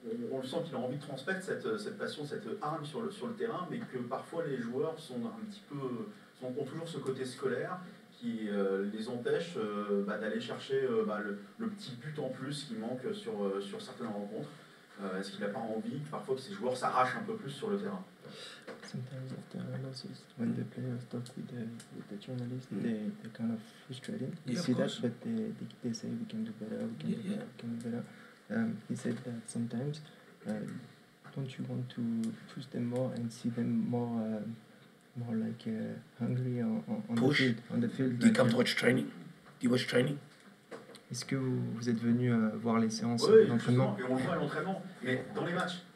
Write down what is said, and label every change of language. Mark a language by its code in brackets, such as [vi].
[fr] On le sent qu'il a envie de transmettre cette passion, cette arme sur le terrain, mais que parfois les joueurs sont un petit peu ont toujours ce côté scolaire qui les empêche d'aller chercher le petit but en plus qui manque sur certaines rencontres. Est-ce qu'il n'a pas envie que parfois que ces joueurs s'arrachent un peu plus sur le terrain? [en] Sometimes after losses, when the players talk with the journalists, they're kind of frustrated. They say we can do better, we can do better. He said that sometimes, don't you want to push them more and see them more more like hungry on the field. Do you come to watch training? Do you watch training? [fr] Est-ce que vous êtes venu voir les séances d'entraînement? Oui, on le voit à l'entraînement, mais dans les matchs.